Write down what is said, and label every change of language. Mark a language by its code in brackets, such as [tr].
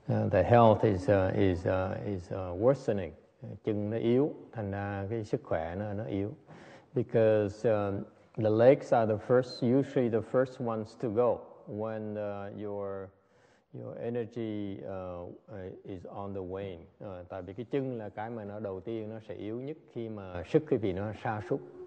[en] The health is worsening. [vi] Chân nó yếu, thành ra cái sức khỏe nó yếu. [en] Because the legs are usually the first ones to go when your energy is on the wane. [vi] Tại vì cái chân là cái mà nó đầu tiên nó sẽ yếu nhất khi mà sức quý vị nó sa sút.